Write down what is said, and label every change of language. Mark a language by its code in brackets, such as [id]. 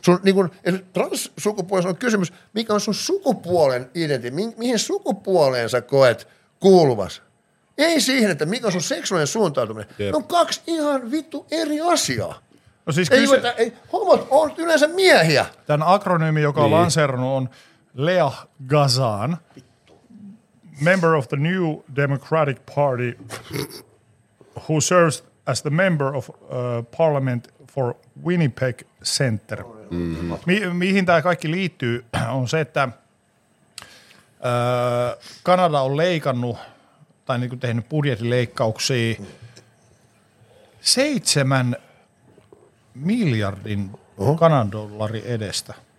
[fi] Sun, niin kun, transsukupuolisuus on kysymys, mikä on sun sukupuolen identiteetti, mihin sukupuoleen sä koet kuuluvas. Ei siihen, että mikä on sun seksuaalinen suuntautuminen. Ne on kaksi ihan vittu eri asiaa. No siis ei, homot on yleensä miehiä. Tämän akronyymi, joka on lanseerannut, on [en] Lea Gazan, member of the New Democratic Party, who serves as the member of parliament for Winnipeg Center. Mm-hmm. [fi] Mihin tämä kaikki liittyy on se, että Kanada on leikannut tai niin kuin tehnyt budjettileikkauksia 7 miljardin oho. Kanadollari edestä.